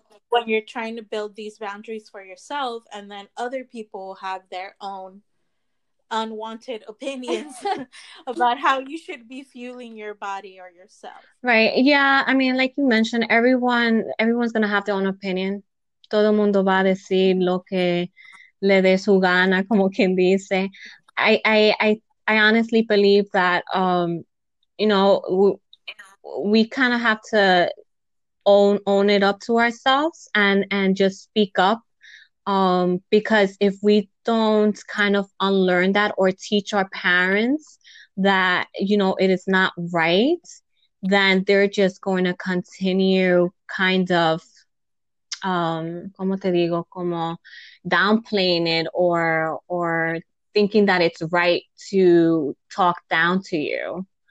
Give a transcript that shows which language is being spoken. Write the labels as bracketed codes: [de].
[en] when you're trying to build these boundaries for yourself, and then other people have their own unwanted opinions about how you should be fueling your body or yourself. Yeah, I mean, like you mentioned, everyone's gonna have their own opinion. [es] Todo el mundo va a decir lo que le dé su gana, como quien dice. [en] I honestly believe that we kind of have to own it up to ourselves and just speak up. Because if we don't kind of unlearn that or teach our parents that, it is not right, then they're just going to continue kind of, [es] como te digo, como [en] downplaying it or thinking that it's right to talk down to you.